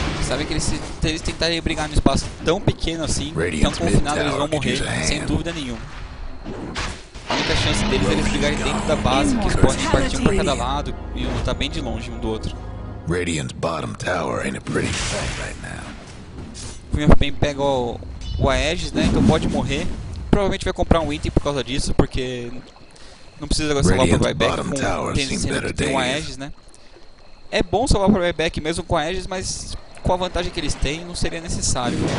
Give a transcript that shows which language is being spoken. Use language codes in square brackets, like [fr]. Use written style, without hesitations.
[pt] sabem que eles tentarem brigar no espaço tão pequeno assim, tão confinado, eles vão morrer, sem dúvida nenhuma. A única chance deles é eles brigarem dentro da base, que eles podem partir um pra cada lado e lutar bem de longe um do outro. [en] Radiant's bottom tower ain't a pretty sight right now. [pt] O Queen of Pain pega o Aegis, né? Então pode morrer. Provavelmente vai comprar um item por causa disso, porque não precisa agora salvar pro Ryback com o Aegis, né? É bom salvar pro Ryback mesmo com o Aegis, mas com a vantagem que eles têm, não seria necessário.